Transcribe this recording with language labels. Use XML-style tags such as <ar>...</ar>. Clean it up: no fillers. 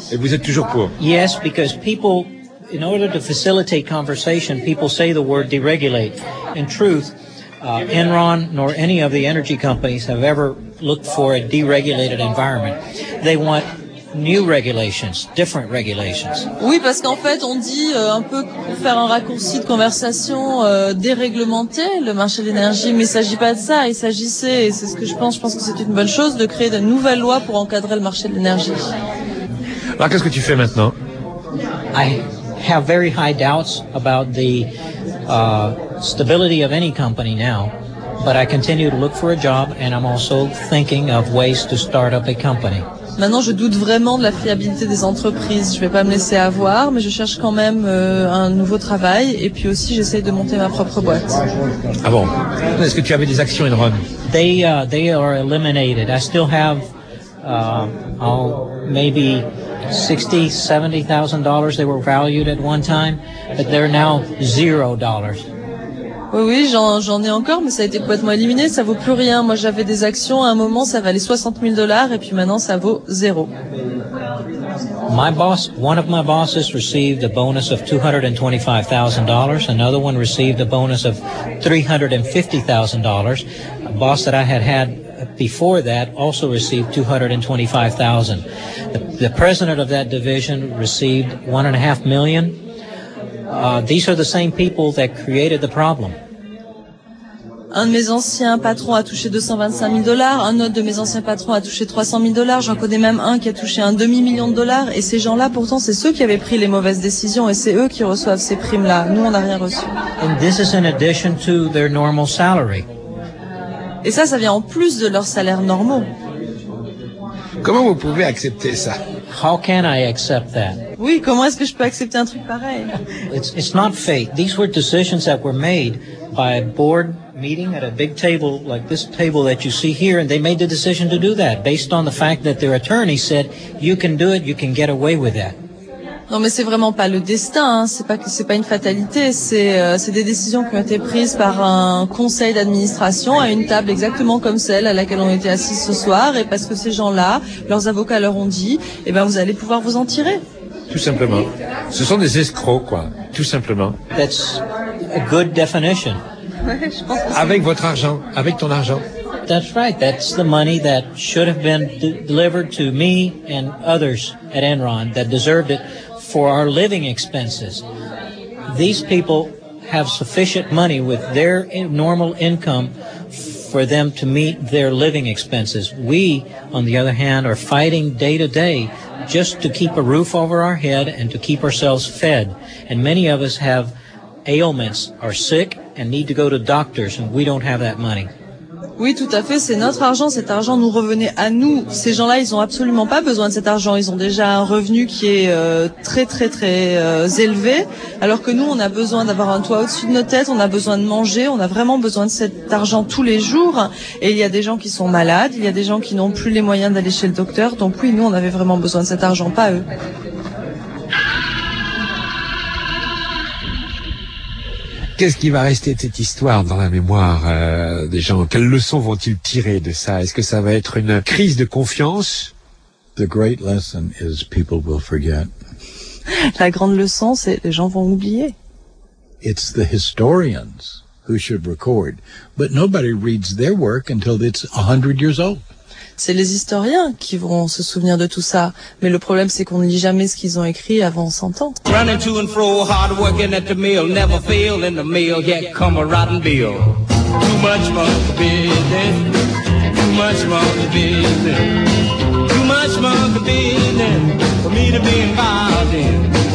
<fr>Et vous êtes toujours pour?</fr> <en>Yes, because people, in order to facilitate conversation, people say the word deregulate. In truth, Enron nor any of the energy companies have ever looked for a deregulated environment. They want new regulations, different regulations.</en> <fr>Oui, parce qu'en fait, on dit un peu pour faire un raccourci de conversation, déréglementer le marché de l'énergie, mais il s'agit pas de ça. Il s'agissait, et c'est ce que je pense que c'est une bonne chose, de créer de nouvelles lois pour encadrer le marché de l'énergie. Alors, qu'est-ce que tu fais maintenant?</fr> <en>I have very high doubts about the stability of any company now, but I continue to look for a job, and I'm also thinking of ways to start up a company.</en> <fr>Maintenant, je doute vraiment de la fiabilité des entreprises. Je ne vais pas me laisser avoir, mais je cherche quand même un nouveau travail. Et puis aussi, j'essaye de monter ma propre boîte. Ah bon? Est-ce que tu avais des actions, Enron?</fr> <en>They are eliminated. I still have maybe $60,000-$70,000. They were valued at one time, but they're now $0.</en> <fr>Oui, j'en ai encore, mais ça a été complètement éliminé. Ça vaut plus rien. Moi, j'avais des actions. À un moment, ça valait $60,000, et puis maintenant, ça vaut zéro.</fr> <en>My boss, one of my bosses, received a bonus of $225,000. Another one received a bonus of $350,000. A boss that I had before that also received $225,000. The president of that division received $1.5 million. These are the same people that created the problem.</en> <fr>Un de mes anciens patrons a touché $225,000. Un autre de mes anciens patrons a touché $300,000. J'en connais même un qui a touché $500,000. Et ces gens-là, pourtant, c'est ceux qui avaient pris les mauvaises décisions, et c'est eux qui reçoivent ces primes-là. Nous, on n'a rien reçu.</fr> <en>And this is in addition to their normal salary.</en> <fr>Et ça vient en plus de leurs salaires normaux. Comment vous pouvez accepter ça?</fr> <en>How can I accept that?</en> <fr>Oui, comment est-ce que je peux accepter un truc pareil?</fr> <en>It's not fate. These were decisions that were made by a board meeting at a big table like this table that you see here, and they made the decision to do that based on the fact that their attorney said you can do it, you can get away with that.</en> <fr>Non, mais c'est vraiment pas le destin, hein. c'est pas une fatalité, c'est des décisions qui ont été prises par un conseil d'administration à une table exactement comme celle à laquelle on était assis ce soir, et parce que ces gens-là, leurs avocats leur ont dit, eh ben vous allez pouvoir vous en tirer. Tout simplement. Ce sont des escrocs, quoi. Tout simplement.</fr> <en>That's a good definition.</en> <fr>Avec votre argent, avec ton argent.</fr> <en>That's right. That's the money that should have been delivered to me and others at Enron that deserved it for our living expenses. These people have sufficient money with their normal income for them to meet their living expenses. We, on the other hand, are fighting day to day just to keep a roof over our head and to keep ourselves fed. And many of us have ailments, are sick, and need to go to doctors, and we don't have that money.</en> <fr>Oui, tout à fait, c'est notre argent, cet argent nous revenait à nous. Ces gens-là, ils ont absolument pas besoin de cet argent, ils ont déjà un revenu qui est très élevé, alors que nous, on a besoin d'avoir un toit au-dessus de nos têtes, on a besoin de manger, on a vraiment besoin de cet argent tous les jours, et il y a des gens qui sont malades, il y a des gens qui n'ont plus les moyens d'aller chez le docteur, donc oui, nous, on avait vraiment besoin de cet argent, pas eux. Qu'est-ce qui va rester de cette histoire dans la mémoire des gens? Quelles leçons vont-ils tirer de ça? Est-ce que ça va être une crise de confiance</fr> <en>The great lesson is people will forget.</en> <fr>La grande leçon, c'est les gens vont oublier.</fr> <en>It's the historians who should record, but nobody reads their work until it's 100 years old.</en> <fr>C'est les historiens qui vont se souvenir de tout ça, mais le problème c'est qu'on ne lit jamais ce qu'ils ont écrit avant 100 ans.</fr> <en>Running to and fro, hard working at the mill, never fail in the mail, yet come a rotten bill. Too much money to be there, too much money to be there, too much money to be there for me to be involved in.</en>